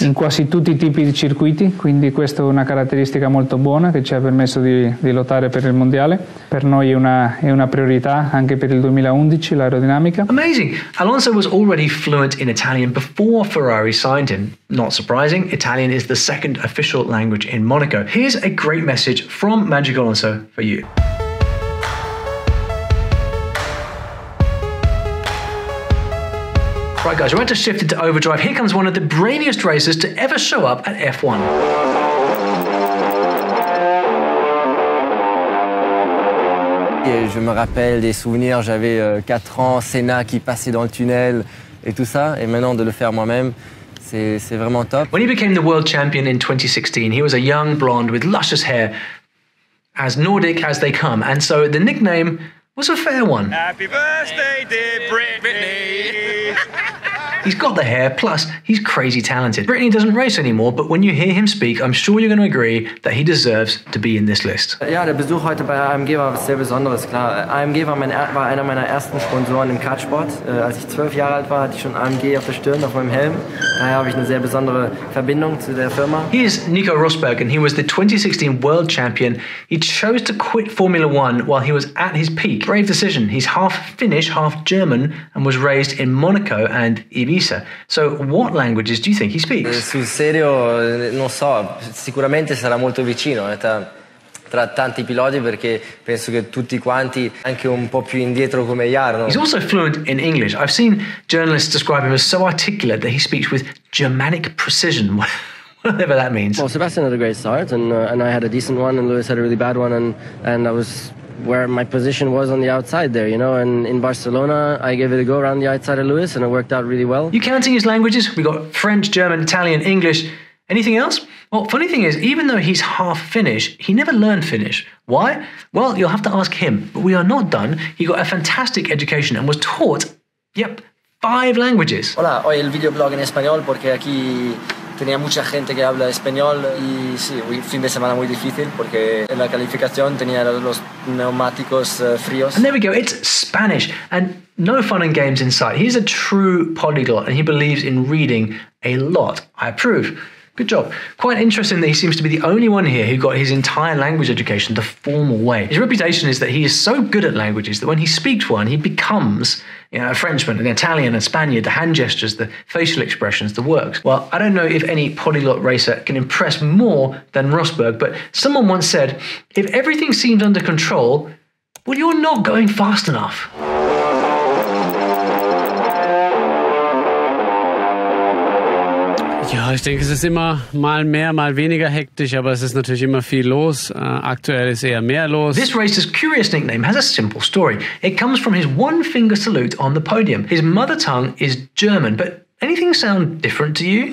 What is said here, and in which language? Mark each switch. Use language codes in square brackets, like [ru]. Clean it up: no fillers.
[it] In quasi tutti I tipi di circuiti, quindi questa è una caratteristica molto buona che ci ha permesso di lottare per il mondiale. Per noi è una priorità anche per il 2011 l'aerodinamica. [en] Amazing! Alonso was already fluent in Italian before Ferrari signed him. Not surprising, Italian is the second official language in Monaco. Here's a great message from Magic Alonso for you. Right guys, we're about to shift into overdrive. Here comes one of the brainiest racers to ever show up at F1. [fr] Et je me rappelle des souvenirs, j'avais 4 ans, Senna qui passait dans le tunnel et tout ça, et maintenant de le faire moi-même, c'est vraiment top. [en] When he became the world champion in 2016, he was a young blonde with luscious hair, as Nordic as they come, and so the nickname was a fair one. Happy birthday, dear Britney. He's got the hair, plus he's crazy talented. Britney doesn't race anymore, but when you hear him speak, I'm sure you're going to agree that he deserves to be in this list. [de] Ja, der Besuch heute bei AMG war sehr besonderes, klar. AMG war einer meiner ersten Sponsoren im Kartsport. Als ich 12 Jahre alt war, hatte ich schon AMG auf der Stirn, auf meinem Helm. Daher habe ich eine sehr besondere Verbindung zu der Firma. [en] He is Nico Rosberg, and he was the 2016 world champion. He chose to quit Formula One while he was at his peak. Brave decision. He's half Finnish, half German, and was raised in Monaco and Ibiza. So what languages do you think he speaks? [it] Sul serio, non so. Sicuramente sarà molto vicino. tra tanti piloti perché penso che tutti quanti anche un po' più indietro come Jarno. [en] He's also fluent in English. I've seen journalists describe him as so articulate that he speaks with Germanic precision. Whatever that means. Well, Sebastian had a great start, and I had a decent one, and Lewis had a really bad one, and I was where my position was on the outside there, you know, and in Barcelona, I gave it a go around the outside of Lewis, and it worked out really well. You counting his languages? We got French, German, Italian, English. Anything else? Well, funny thing is, even though he's half Finnish, he never learned Finnish. Why? Well, you'll have to ask him, but we are not done. He got a fantastic education and was taught, yep, 5 languages. [es] Hola, hoy el videoblog en español porque aquí... Tenía mucha gente que habla español y sí, fin de semana muy difícil porque en la calificación tenía los neumáticos fríos. [en] And there we go, it's Spanish and no fun and games in sight. He's a true polyglot and he believes in reading a lot. I approve. Good job. Quite interesting that he seems to be the only one here who got his entire language education the formal way. His reputation is that he is so good at languages that when he speaks one, he becomes, you know, a Frenchman, an Italian, a Spaniard, the hand gestures, the facial expressions, the works. Well, I don't know if any polyglot racer can impress more than Rosberg, but someone once said, if everything seems under control, well, you're not going fast enough. [de] Ja, ich denke, es ist immer mal mehr, mal weniger hektisch, aber es ist natürlich immer viel los. Aktuell ist eher mehr los. [en] This racer's curious nickname has a simple story. It comes from his one-finger salute on the podium. His mother tongue is German, but anything sound different to you?